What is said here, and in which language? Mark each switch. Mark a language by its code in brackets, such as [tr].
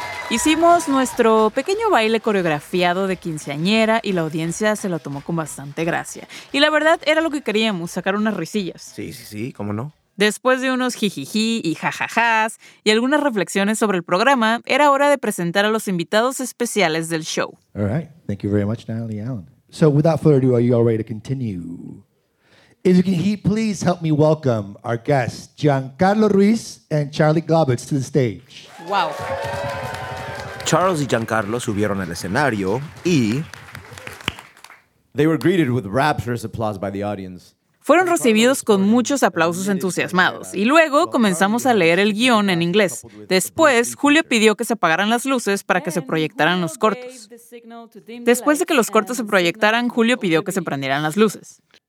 [es] Hicimos nuestro pequeño baile coreografiado de quinceañera y la audiencia se lo tomó con bastante gracia. Y la verdad, era lo que queríamos, sacar unas risillas. Sí, ¿cómo no? Después de unos jijiji y jajajas y algunas reflexiones sobre el programa, era hora de presentar a los invitados especiales del show. [en] All right. Thank you very much, Natalie Allen. So, without further ado, are you all ready to continue? If you can, please help me welcome our guests, Giancarlo Ruiz and Charlie Globitz, to the stage. Wow. [es] Charles y Giancarlo subieron al escenario y... [en] They were greeted with rapturous applause by the audience. [es] Fueron recibidos con muchos aplausos entusiasmados y luego comenzamos a leer el guión en inglés. Después, Julio pidió que se apagaran las luces para que se proyectaran los cortos. Después de que los cortos se proyectaran, Julio pidió que se prendieran las luces.